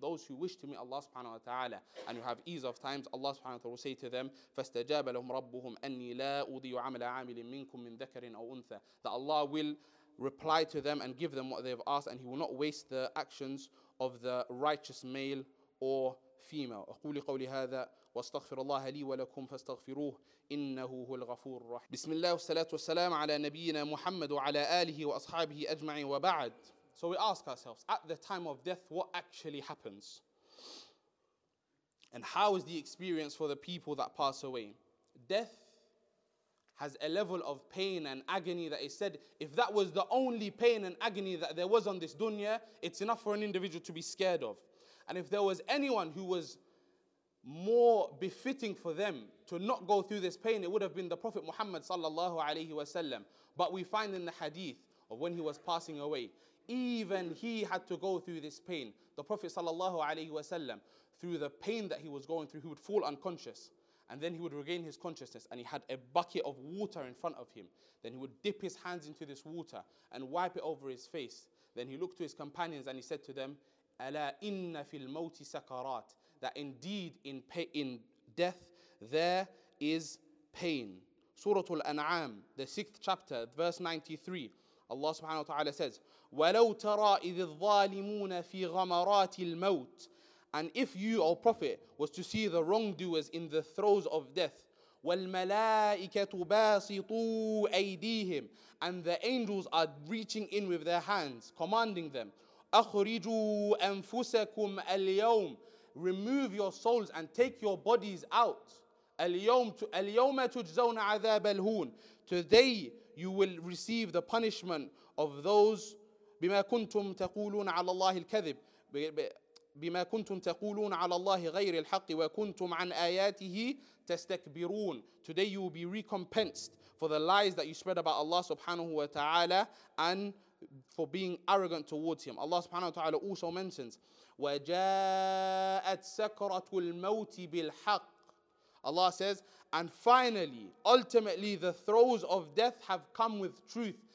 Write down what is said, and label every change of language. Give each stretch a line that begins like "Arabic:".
English: Those who wish to meet Allah subhanahu wa ta'ala and you have ease of times, Allah subhanahu wa ta'ala will say to them,
Arabic: فَاسْتَجَابَ لَهُمْ رَبُّهُمْ أَنِّي لَا أُضِيُّ عَمَلَ عَامِلٍ مِّنْكُمْ مِّنْ ذَكَرٍ أَوْ أُنثَى.
English: That Allah will reply to them and give them what they have asked, and he will not waste the actions of the righteous male or female.
Arabic: أقول قولي هذا واستغفر الله لي ولكم فاستغفروه إنه هو الغفور الرحيم. بسم الله والصلاة والسلام على نبينا محمد وعلى آله وأصحابه أجمعين وبعد.
English: So we ask ourselves, at the time of death, what actually happens? And how is the experience for the people that pass away? Death has a level of pain and agony that is said, if that was the only pain and agony that there was on this dunya, it's enough for an individual to be scared of. And if there was anyone who was more befitting for them to not go through this pain, it would have been the Prophet Muhammad sallallahu alayhi wa sallam. But we find in the hadith of when he was passing away, even he had to go through this pain. The Prophet sallallahu alayhi wa sallam, through the pain that he was going through, he would fall unconscious and then he would regain his consciousness, and he had a bucket of water in front of him. Then he would dip his hands into this water and wipe it over his face. Then he looked to his companions and he said to them,
Arabic: أَلَا إِنَّ فِي الْمَوْتِ سَكَرَاتٍ.
English: That indeed in death there is pain. Surah Al-An'am, the 6th chapter, verse 93. Allah subhanahu wa ta'ala says,
Arabic: وَلَوْ تَرَىٰ إِذِ الظَّالِمُونَ فِي غَمَرَاتِ الْمَوْتِ.
English: And if you, O Prophet, was to see the wrongdoers in the throes of death,
Arabic: وَالْمَلَائِكَةُ بَاسِطُوا أَيْدِيهِمْ.
English: And the angels are reaching in with their hands, commanding them,
Arabic: أَخْرِجُوا أَنفُسَكُمْ الْيَوْمِ.
English: Remove your souls and take your bodies out.
Arabic: الْيَوْمَ تُجْزَوْنَ عَذَابَ الْهُونَ.
English: Today you will receive the punishment of those,
Arabic: بِمَا كُنْتُمْ تَقُولُونَ عَلَى اللَّهِ الْكَذِبِ, بِمَا كُنْتُمْ تَقُولُونَ عَلَى اللَّهِ غَيْرِ الْحَقِّ وَكُنْتُمْ عَنْ آيَاتِهِ تَسْتَكْبِرُونَ.
English: Today you will be recompensed for the lies that you spread about Allah subhanahu wa ta'ala and for being arrogant towards him. Allah subhanahu wa ta'ala also mentions,
Arabic: وَجَاءَتْ سَكْرَةُ الْمَوْتِ بِالْحَقِّ.
English: Allah says, and finally, ultimately, the throes of death have come with truth.